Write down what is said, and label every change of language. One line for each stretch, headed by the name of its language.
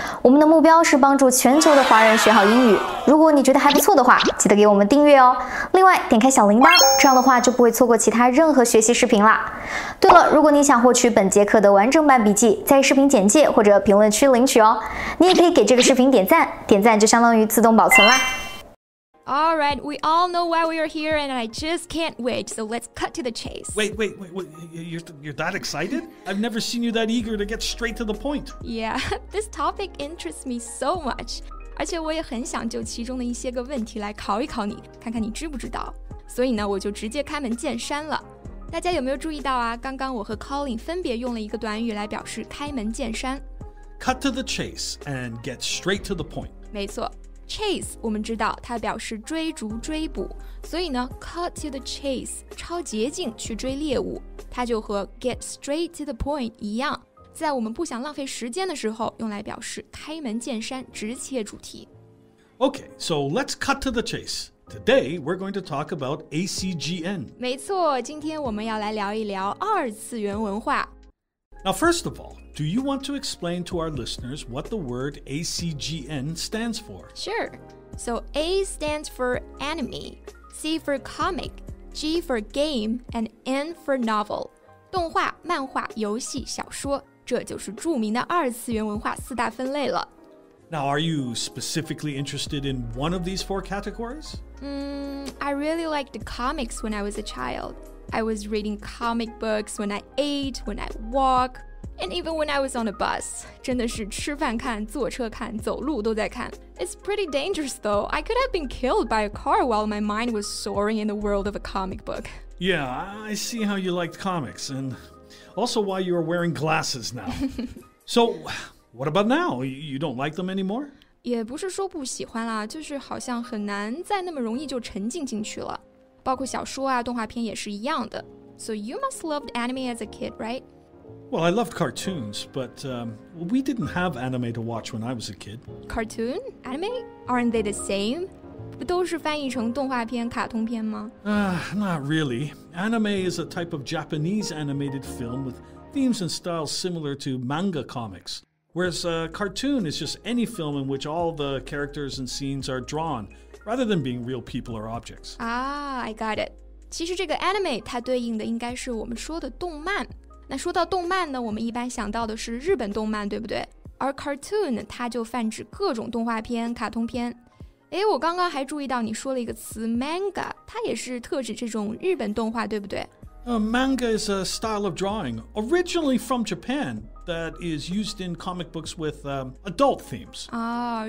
Chinese: 我们的目标是帮助全球的华人学好英语。如果你觉得还不错的话，记得给我们订阅哦。另外，点开小铃铛，这样的话就不会错过其他任何学习视频啦。对了，如果你想获取本节课的完整版笔记，在视频简介或者评论区领取哦。你也可以给这个视频点赞，点赞就相当于自动保存啦。
English: All right, we all know why we are here, and I just can't wait, so let's cut to the chase. Wait, you're that excited? I've never seen you that eager to get straight to the point. Yeah, this topic interests me so much.
Chinese: 而且我也很想就其中的一些个问题来考一考你，看看你知不知道。所以呢，我就直接开门见山了。大家有没有注意到啊？刚刚我和 Colin 分别用了一个短语来表示开门见山。
English: Cut to the chase and get straight to the point.
Chinese: 没错。Chase, 我们知道它表示追逐追捕，所以呢
English: cut to the chase,
Chinese: 抄捷径去追猎物，它就和
English: get straight to the point
Chinese: 一样，在我们不想浪费时间的时候用来表示开门见山，直切主题。
English: Okay, so let's cut to the chase. Today, we're going to talk about ACGN.
Chinese: 没错，今天我们要来聊一聊二次元文化。
English: Now, first of all, do you want to explain to our listeners what the word ACGN stands for? Sure. So A stands for anime, C for comic, G for game, and N for novel.
Chinese: 动画、漫画、游戏、小说，这就是著名的二次元文化四大分类了。
English: Now, are you specifically interested in one of these four categories? I really liked the comics when I was a child. I was reading comic books when I ate, when I walk, and even when I was on a bus.
Chinese: 真的是吃饭看，坐车看，走路都在看。
English: It's pretty dangerous though. I could have been killed by a car while my mind was soaring in the world of a comic book. Yeah, I see how you liked comics, and also why you are wearing glasses now. So, what about now? You don't like them anymore?
Chinese: 也不是说不喜欢啦，就是好像很难再那么容易就沉浸进去了。包括小说啊，动画片也是一样的。
English: So you must loved anime as a kid, right? Well, I loved cartoons, but we didn't have anime to watch when I was a kid. Cartoon? Anime? Aren't they the same?
Chinese: 不都是翻译成动画片、卡通片吗？
English: Not really. Anime is a type of Japanese animated film with themes and styles similar to manga comics. Whereas a cartoon is just any film in which all the characters and scenes are drawn. Rather than being real people or objects. I got it.
Chinese: 其实这个 anime 它对应的应该是我们说的动漫。那说到动漫呢，我们一般想到的是日本动漫，对不对？而 cartoon 它就泛指各种动画片、卡通片。诶，我刚刚还注意到你说了一个词 manga， 它也是特指这种日本动画，对不对？
English: Manga is a style of drawing originally from Japan that is used in comic books with adult themes.